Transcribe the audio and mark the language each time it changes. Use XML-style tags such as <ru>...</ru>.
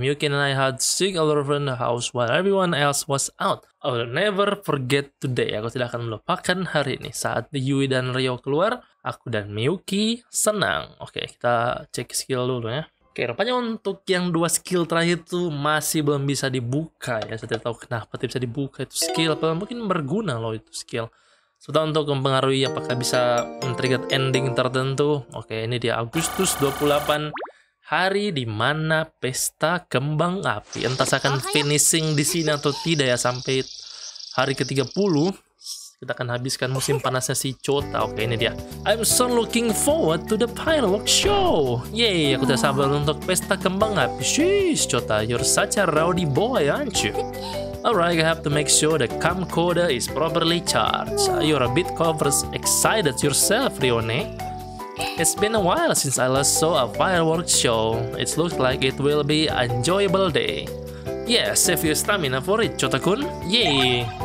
<en>Miyuki and I had sick all over the house while everyone else was out. I will never forget today.</en> <id>Aku tidak akan melupakan hari ini. Saat Yui dan Ryo keluar, aku dan Miyuki senang. Okay, kita cek skill dulu ya. Okay, rupanya untuk yang dua skill terakhir itu masih belum bisa dibuka ya. Saya tidak tahu kenapa tidak bisa dibuka itu skill. Apa mungkin berguna loh itu skill. Sudah untuk mempengaruhi apakah bisa men-trigger ending tertentu. Oke, ini dia Agustus 28, hari di mana pesta kembang api. Entah saya akan finishing di sini atau tidak ya sampai hari ke-30. Kita akan habiskan musim panasnya si Chota. Oke, ini dia.</id> <en>I'm so looking forward to the fireworks show.</en> <id>Yay, aku tidak sabar untuk pesta kembang api.</id> <en>Sheesh, Chota, you're such a rowdy boy, aren't you? Alright, I have to make sure the camcorder is properly charged. You're a bit overexcited yourself, Rione. It's been a while since I last saw a fireworks show. It looks like it will be an enjoyable day. Yeah, save your stamina for it, Chota-kun. Yay!</en>